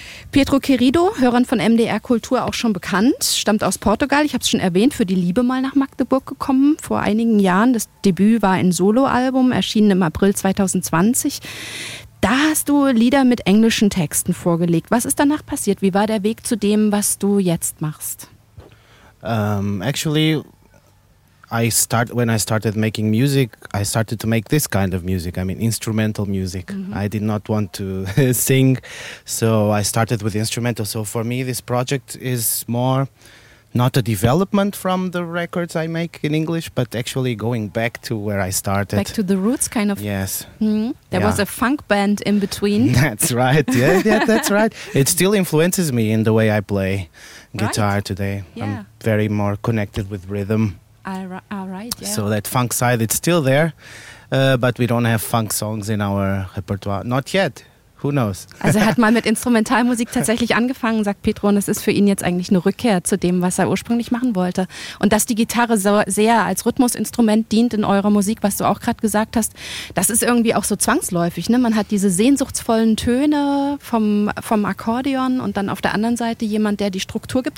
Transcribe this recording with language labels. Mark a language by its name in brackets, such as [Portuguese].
[German] Pietro Querido, Hörern von MDR Kultur auch schon bekannt, stammt aus Portugal. Ich habe es schon erwähnt, für die Liebe mal nach Magdeburg gekommen vor einigen Jahren. Das Debüt war ein Soloalbum, erschienen im April 2020. Da hast du Lieder mit englischen Texten vorgelegt. Was ist danach passiert? Wie war der Weg zu dem, was du jetzt machst? [English] When I started making music, I started to make this kind of music. I mean, instrumental music. Mm-hmm. I did not want to sing, so I started with instrumental. So for me, this project is more not a development from the records I make in English, but actually going back to where I started. Back to the roots, kind of. Yes. Mm-hmm. There was a funk band in between. That's right. Yeah, yeah, that's right. It still influences me in the way I play guitar today. Yeah. I'm very more connected with rhythm. All right, yeah. So that funk side, it's still there, but we don't have funk songs in our repertoire. Not yet. Who knows? [German] Also er hat mal mit Instrumentalmusik tatsächlich angefangen, sagt Pietro, und es ist für ihn jetzt eigentlich eine Rückkehr zu dem, was er ursprünglich machen wollte. Und dass die Gitarre so sehr als Rhythmusinstrument dient in eurer Musik, was du auch gerade gesagt hast, das ist irgendwie auch so zwangsläufig. Ne? Man hat diese sehnsuchtsvollen Töne vom Akkordeon und dann auf der anderen Seite jemand, der die Struktur gibt.